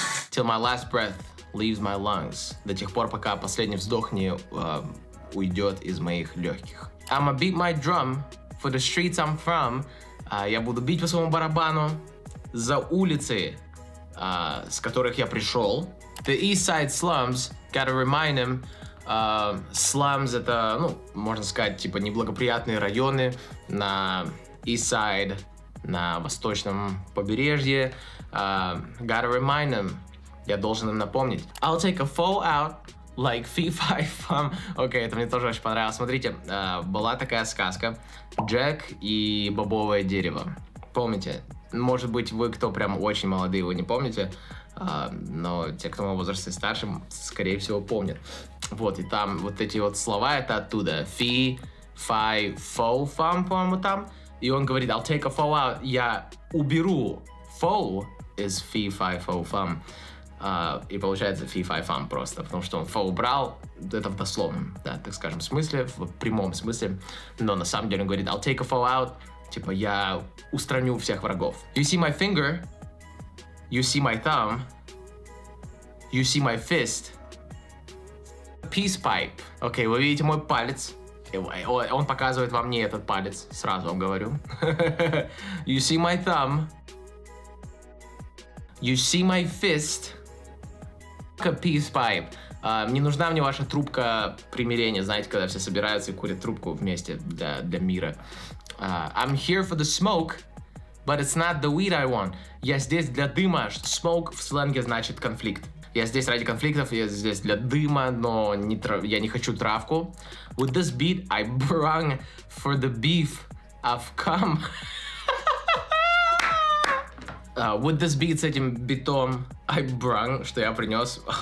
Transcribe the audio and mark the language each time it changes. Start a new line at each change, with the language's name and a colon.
English: Till my last breath leaves my lungs.
Russian: До тех пор, пока последний вздох не уйдет из моих легких.
English: I'ma beat my drum for the streets I'm from.
Russian: Я буду бить по своему барабану. за улицы, с которых я пришел.
English: The East Side Slums, gotta remind him.
Russian: Slums это, ну, можно сказать, типа неблагоприятные районы на East Side, на восточном побережье.
English: Gotta remind him.
Russian: Я должен им напомнить.
English: I'll take a fall out. Like Fee-Fi-Fum.
Russian: Окей, это мне тоже очень понравилось. Смотрите, была такая сказка. Джек и бобовое дерево. Помните? Может быть, вы, кто прям очень молодые, вы не помните. Но те, кто моего возраста и старше, скорее всего, помнят. Вот, и там вот эти вот слова, это оттуда. Fee-Fi-Fo-Fum, по-моему, там. И он говорит,
English: I'll take a fall out.
Russian: Я уберу. Fall is Fee-Fi-Fo-Fum. И получается Fee-Fi-Fum просто, потому что он фо убрал, это в дословном, да, так скажем, смысле, в прямом смысле, но на самом деле он говорит
English: I'll take a fall out,
Russian: типа я устраню всех врагов.
English: You see my finger, you see my thumb, you see my fist, peace pipe.
Russian: Окей, вы видите мой палец, он показывает вам не этот палец, сразу вам говорю.
English: You see my thumb, you see my fist. A peace pipe.
Russian: Не нужна мне ваша трубка примирения, знаете, когда все собираются и курят трубку вместе для мира.
English: I'm here for the smoke, but it's not the weed I want.
Russian: Я здесь для дыма. Smoke в сленге значит конфликт. Я здесь ради конфликтов, я здесь для дыма, но не я не хочу травку.
English: With this beat, I brung for the beef I've come. With this beat,
Russian: с этим битом,
English: I brung,
Russian: что я принес.